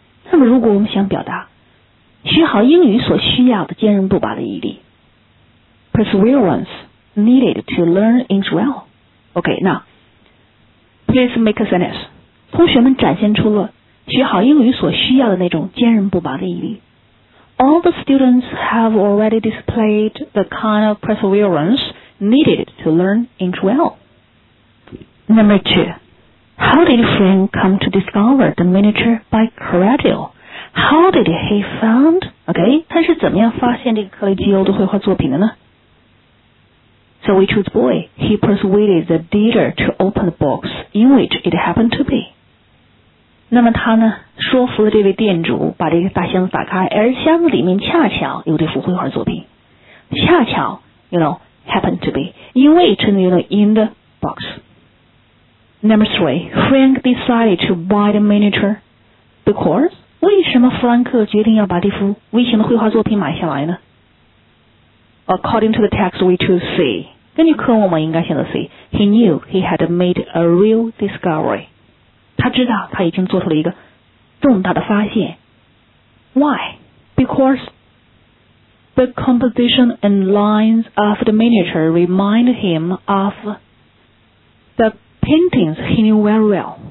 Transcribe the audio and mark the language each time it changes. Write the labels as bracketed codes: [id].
[zh] 那么，如果我们想表达学好英语所需要的坚韧不拔的毅力 [en] ，perseverance needed to learn English well. Okay, now please make a sentence. [zh] 同学们展现出了学好英语所需要的那种坚韧不拔的毅力。 [en] All the students have already displayed the kind of perseverance needed to learn English well. Number 2. How did Frank come to discover the miniature by Caravaggio? How did he found? [zh] Okay, 他是怎么样发现这个克雷基欧的绘画作品的呢？ [en] So we choose boy. He persuaded the dealer to open the box in which it happened to be. [zh] 那么他呢说服了这位店主把这个大箱子打开，而箱子里面恰巧有这幅绘画作品，恰巧 [en] you know happened to be in which you know in the box. Number 3. Frank decided to buy the miniature because [zh] 为什么弗兰克决定要把这幅微型的绘画作品买下来呢？ [en] According to the text we choose C. [zh] 根据课文我们应该选择 C. [en] He knew he had made a real discovery. [zh] 他知道他已经做出了一个重大的发现。 [en] Why? Because the composition and lines of the miniature remind him of the paintings he knew very well.